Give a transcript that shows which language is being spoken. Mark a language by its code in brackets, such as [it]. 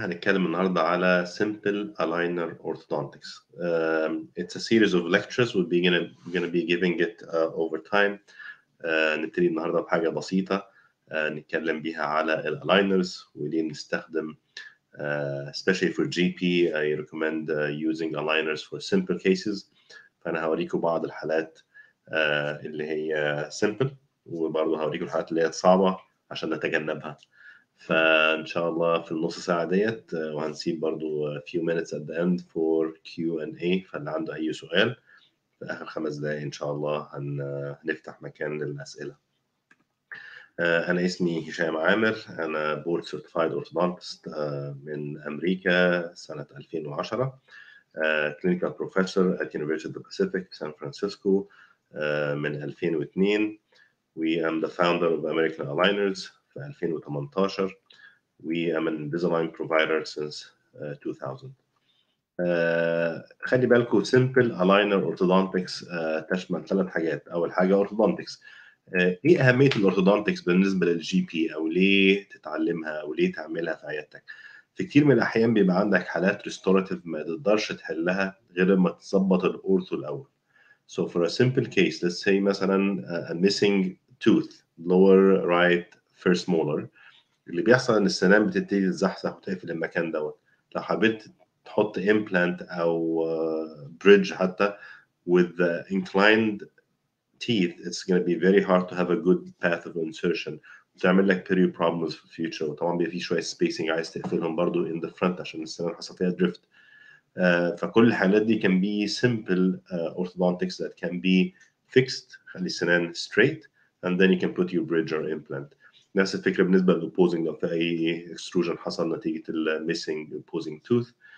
[ar] هنتكلم النهارده على [en] simple aligner orthodontics. It's a series of lectures. We'll be gonna be giving it over time. [ar] نبتدي النهارده بحاجه بسيطه نتكلم بيها على الالاينرز وليه نستخدم [en] especially for GP. I recommend using aligners for simple cases. [ar] فانا هوريكم بعض الحالات اللي هي simple وبرضه هوريكم الحالات اللي هي صعبه عشان نتجنبها. فإن شاء الله في النص ساعة ديت وهنسيب برضو [en] few minutes at the end for Q&A. [ar] فاللي عنده أي سؤال في آخر 5 دقايق إن شاء الله هنفتح مكان للأسئلة. أنا اسمي هشام عامر، أنا [en] Board Certified Orthodontist [ar] من أمريكا سنة 2010، [en] Clinical Professor at University of the Pacific San Francisco [ar] من 2002. [en] We am the founder of American Aligners 2018. We am an Invisalign provider since 2000. [ar] خلي بالكو [en] simple aligner orthodontics [ar] تشمل 3 حاجات. أول حاجة orthodontics. إيه أهمية الorthodontics بالنسبة للجي بي، أو ليه تتعلمها أو ليه تعملها في عيادتك؟ في كتير من الأحيان بيبقى عندك حالات restorative ما تقدرش تحلها غير ما تظبط الأورثو الأول. [en] So for a simple case, let's say [ar] مثلا [en] a missing tooth lower right first molar، [ar] اللي بيحصل ان السنان بتبتدي تزحزح وتقفل المكان دوت. لو حبيت تحط [en] implant او bridge حتى with the inclined teeth it's gonna be very hard to have a good path of insertion، [ar] بتعمل لك [en] period problems في future. [ar] وطبعا بيبقى في شويه spacing عايز تقفلهم برضو [en] in the front [ar] عشان السنان حصل فيها drift. فكل الحالات دي [en] can be simple orthodontics that can be fixed، [ar] خلي السنان [en] straight and then you can put your bridge or implant. [ar] نفس الفكرة بالنسبة للopposing، لو في أي extrusion حصل نتيجة الـ missing opposing tooth.